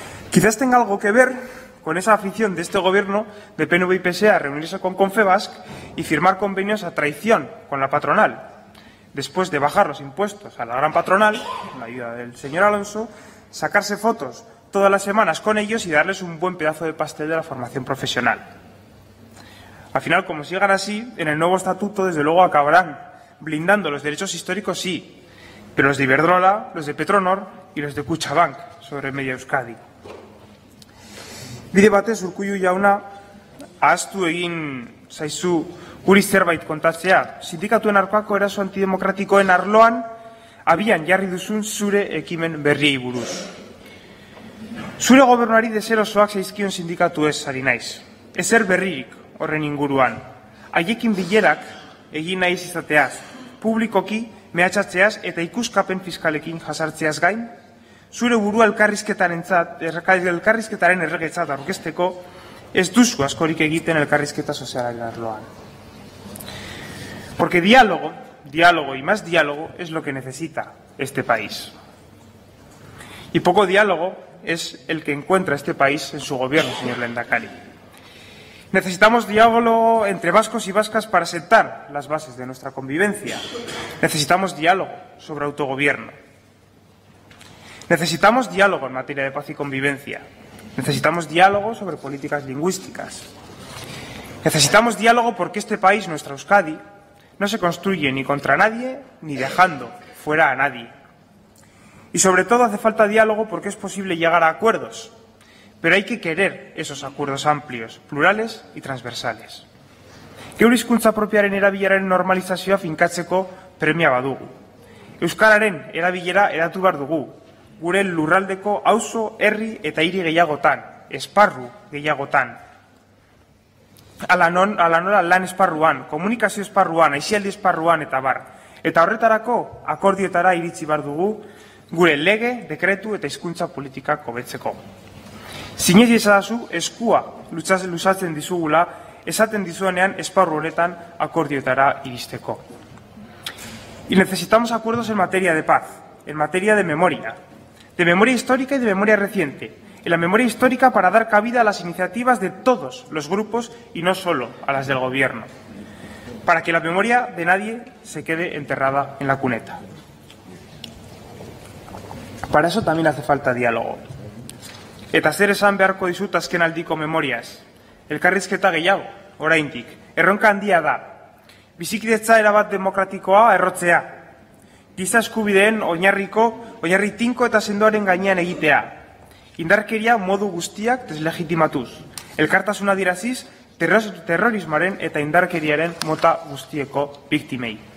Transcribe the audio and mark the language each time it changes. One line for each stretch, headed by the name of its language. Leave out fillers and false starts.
Spanish: Quizás tenga algo que ver con esa afición de este Gobierno de PNV y PSE a reunirse con Confebask y firmar convenios a traición con la patronal, después de bajar los impuestos a la gran patronal, con la ayuda del señor Alonso, sacarse fotos todas las semanas con ellos y darles un buen pedazo de pastel de la formación profesional. Al final, como sigan así, en el nuevo estatuto, desde luego, acabarán blindando los derechos históricos, sí, pero los de Iberdrola, los de Petronor y los de Kutxabank sobre Media Euskadi.
Basque: Bide batez, Urkullu jauna, ahaztu egin zaizu guri zerbait kontatzea. Sindikatuen arkoako eraso antidemokratikoen arloan, abian jarri duzun zure ekimen berriei buruz. Zure gobernuari deserosoak zaizkion sindikatu ez ari naiz. Ezer berririk horren inguruan. Haiekin bilerak egin nahi izateaz, publikoki mehatxatzeaz eta ikuskapen fiskalekin jasartzeaz gain, zure burua elkarrizketaren erregetzat aurkezteko, ez duzu askorik egiten elkarrizketa sozialaren arloan.
Spanish: Porque diálogo, diálogo y más diálogo es lo que necesita este país. Y poco diálogo es el que encuentra este país en su gobierno, señor Lehendakari. Necesitamos diálogo entre vascos y vascas para sentar las bases de nuestra convivencia. Necesitamos diálogo sobre autogobierno. Necesitamos diálogo en materia de paz y convivencia. Necesitamos diálogo sobre políticas lingüísticas. Necesitamos diálogo porque este país, nuestra Euskadi, no se construye ni contra nadie ni dejando fuera a nadie. Y sobre todo hace falta diálogo porque es posible llegar a acuerdos. Pero hay que querer esos acuerdos amplios, plurales y transversales.
Basque: Gure hizkuntza propiaren erabileraren normalizazioa finkatzeko premia badugu. Euskararen erabilera eratu behar dugu. Gure lurraldeko auzo, herri eta hiri gehiagotan, esparru gehiagotan. Ala nola lan esparruan, komunikazio esparruan, aisialdi esparruan eta bar. Eta horretarako akordioetara iritsi behar dugu gure lege, dekretu eta hizkuntza politika hobetzeko. Sinez iezadazu eskua luzatzen dizugula esaten dizuenean esparru honetan akordioetara iristeko.
Spanish: Y necesitamos acuerdos en materia de paz, en materia de memoria histórica y de memoria reciente, en la memoria histórica para dar cabida a las iniciativas de todos los grupos y no solo a las del Gobierno, para que la memoria de nadie se quede enterrada en la cuneta. Para eso también hace falta diálogo.
Basque: Eta zer esan beharko dizut azken aldiko memoriaz. Elkarrizketa gehiago, oraindik. Erronka handia da. Bizikidetza erabat demokratikoa errotzea. Giza eskubideen oinarri tinko eta sendoaren gainean egitea. Indarkeria modu guztiak deslegitimatuz. Elkartasuna adieraziz terrorismoaren eta indarkeriaren mota guztieko biktimei.